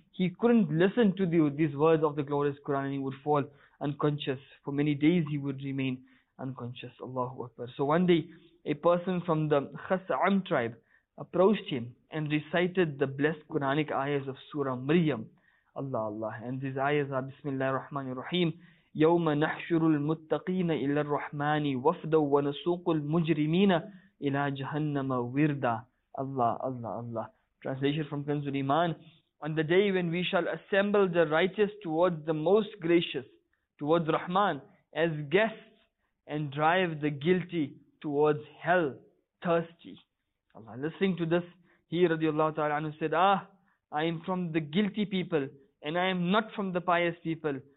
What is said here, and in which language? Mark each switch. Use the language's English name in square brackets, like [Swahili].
[English] He couldn't listen to these words of the glorious Quran, and he would fall unconscious. For many days he would remain unconscious. Allahu Akbar. So one day, a person from the Khas'am tribe approached him and recited the blessed Quranic ayahs of Surah Maryam. Allah Allah. And these ayahs are Bismillah ar-Rahman ar-Rahim. [Arabic] يَوْمَ نَحْشُرُ الْمُتَّقِينَ إِلَى الرَّحْمَنِ وَفْدًا وَنَسُوقُ الْمُجْرِمِينَ إِلَى جَهَنَّمَ وِرْدًا. [English] Allah Allah Allah. Translation from Kanzul Iman. on the day when we shall assemble the righteous towards the most gracious, towards Rahman, as guests, and drive the guilty towards hell, thirsty. Allah, listening to this, he radiallahu ta'ala anhu said, "Ah, I am from the guilty people, and I am not from the pious people.